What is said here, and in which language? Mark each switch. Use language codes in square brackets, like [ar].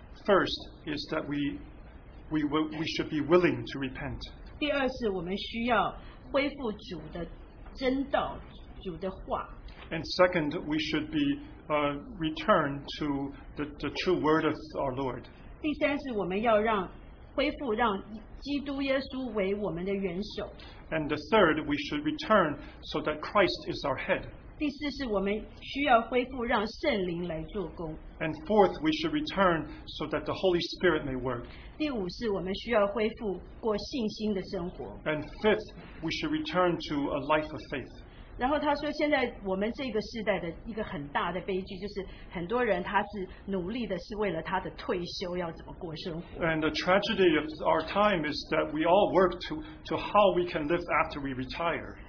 [en] First is that we should be willing to repent. [zh] 第二是我们需要恢复主的真道，主的话。 [en] And second, we should be returned to the true word of our Lord. [zh] 第三是我们要让恢复让基督耶稣为我们的元首。 [en] And the third, we should return so that Christ is our head. [zh] 第四是我们需要恢复让圣灵来做工。 [en] And fourth, we should return so that the Holy Spirit may work. [zh] 第五是我们需要恢复过信心的生活。 [en] And fifth, we should return to a life of faith. [zh] 然后他说现在我们这个世代的一个很大的悲剧就是很多人他是努力的是为了他的退休要怎么过生活。 [en] And the tragedy of our time is that we all work to how we can live after we retire.